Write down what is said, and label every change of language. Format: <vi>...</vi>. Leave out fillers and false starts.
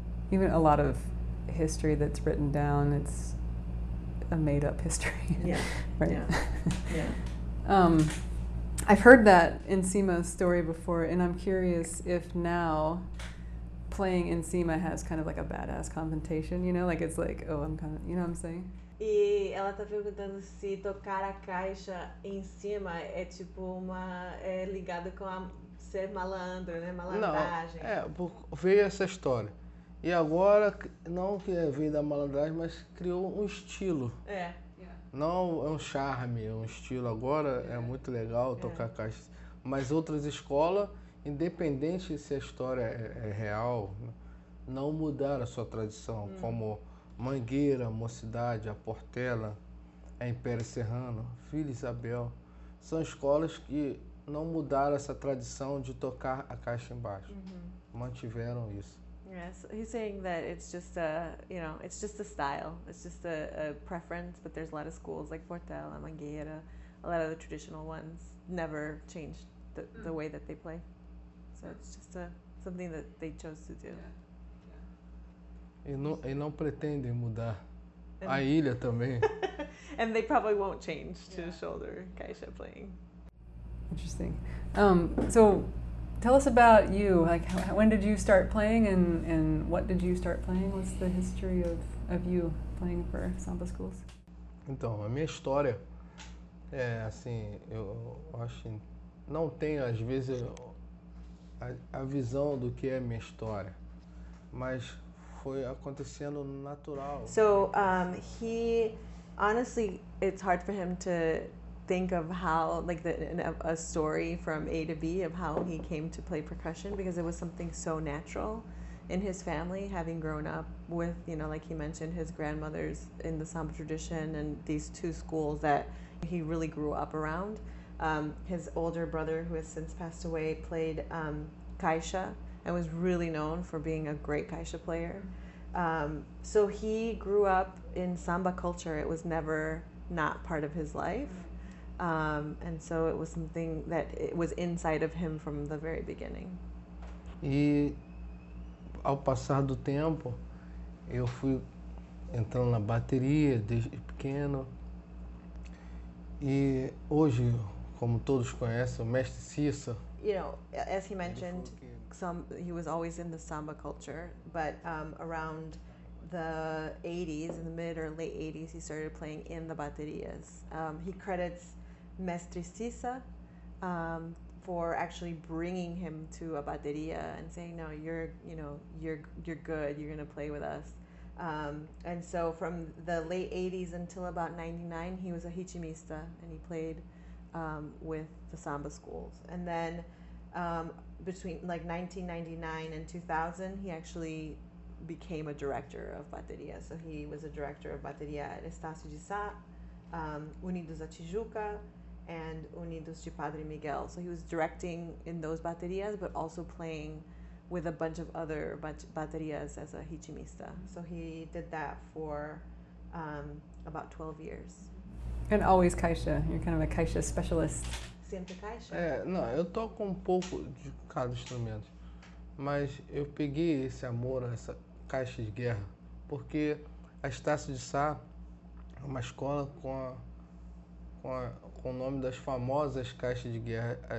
<en>Even a lot of history that's written down, it's a made up history. Yeah. Right. Yeah. I've heard that Nsema's story before, and I'm curious if now playing Nsema has kind of like a badass confrontation, you know, like it's like, oh, I'm kind of, you know what I'm saying?</en> <pt>E ela tá perguntando se tocar a caixa em cima é tipo uma... é ligado com a ser malandro, né? Malandragem. Não, veio essa história. E agora, não que veio da malandragem, mas criou um estilo. É. Não é um charme, é um estilo. Agora é muito legal tocar caixa. Mas outras escolas, independente se a história é real, não mudaram a sua tradição, como... Mangueira, Mocidade, a Portela, a Império Serrano, Filho Isabel. São escolas que não mudaram essa tradição de tocar a caixa embaixo. Mm-hmm. Mantiveram isso.</pt> <en>Yes, he's saying that it's just a, you know, it's just a style. It's just a preference, but there's a lot of schools like Portela, Mangueira, a lot of the traditional ones never changed the way that they play. So it's just something that they chose to do. Yeah.</en> <pt>E não pretendem mudar. A ilha também.</pt> <en>And they probably won't change to shoulder kaisha playing. Interesting. So tell us about you. Like, when did you start playing and what did you start playing? What's the history of you playing for samba schools?</en> <pt>Então, a minha história é assim, eu acho não tenho às vezes a visão do que é minha história, mas foi acontecendo natural.</pt> <en>So he honestly, it's hard for him to think of how, like, a story from A to B of how he came to play percussion, because it was something so natural in his family, having grown up with, you know, like he mentioned, his grandmother's in the samba tradition and these two schools that he really grew up around. His older brother, who has since passed away, played kaisha and was really known for being a great kaisha player. So he grew up in samba culture. It was never not part of his life. And so it was something that it was inside of him from the very beginning.</en> <pt>E ao passar do tempo, eu fui entrando na bateria desde pequeno. E hoje, como todos conhecem, o mestre Cissa.</pt> <en>You know, as he mentioned, he was always in the samba culture, but around the 80s, in the mid or late 80s, he started playing in the baterias. He credits Mestre Cissa for actually bringing him to a bateria and saying, "No, you're good. You're gonna play with us." And so, from the late 80s until about 99, he was a hichimista and he played with the samba schools. And then between like 1999 and 2000, he actually became a director of bateria. So he was a director of bateria at Estácio de Sá, Unidos da Tijuca, and Unidos de Padre Miguel. So he was directing in those baterias, but also playing with a bunch of other baterias as a hichimista. So he did that for about 12 years. And always caixa. You're kind of a caixa specialist.</en> <pt>Sempre caixa? É, não, eu toco pouco de cada instrumento. Mas eu peguei esse amor, essa caixa de guerra, porque a Estácio de Sá é uma escola com o nome das famosas caixas de guerra.</pt>